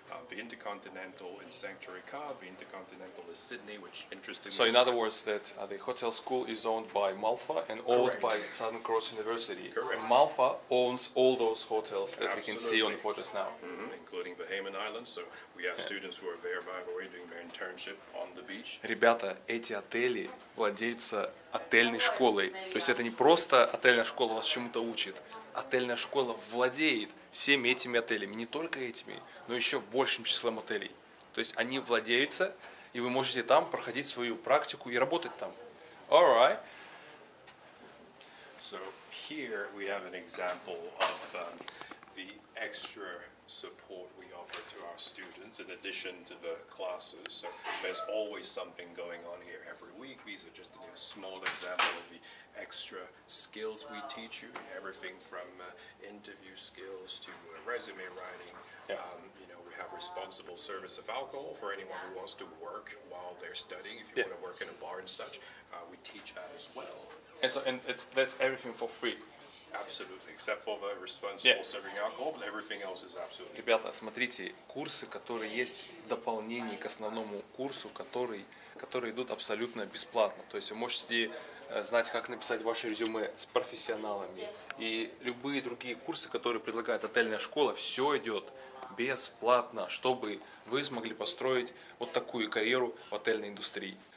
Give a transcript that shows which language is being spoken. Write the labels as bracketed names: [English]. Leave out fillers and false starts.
[English] The Intercontinental in Sanctuary Cove, the Intercontinental in Sydney, which interestingly. So in other words, that the hotel school is owned by Malfa and owned by Southern Cross University. Correct. And Malfa owns all those hotels that Absolutely. We can see on the photos now. Mm-hmm. Including the Hayman Islands. So we have students who are there by the way doing their internship on the beach. [Russian] Ребята, эти отели владеются отельной школой. То есть это не просто отельная школа вас чему-то учит. Отельная школа владеет всеми этими отелями. Не только этими, но еще большим числом отелей. То есть они владеются, и вы можете там проходить свою практику и работать там. [English] All right. So here we have an example of the extra support we offer to our students in addition to the classes. So there's always something going on here every week. These are just a small example of the extra skills we teach you, everything from interview skills to resume writing. We have responsible service of alcohol for anyone who wants to work while they're studying. If you want to work in a bar and such, we teach that as well. And so, and it's that's everything for free. Absolutely, except for the responsible serving alcohol, but everything else is absolutely. [Russian] Ребята, смотрите, курсы, которые есть в дополнении к основному курсу, которые идут абсолютно бесплатно. То есть вы можете знать, как написать ваше резюме с профессионалами. И любые другие курсы, которые предлагает отельная школа, все идет бесплатно, чтобы вы смогли построить вот такую карьеру в отельной индустрии.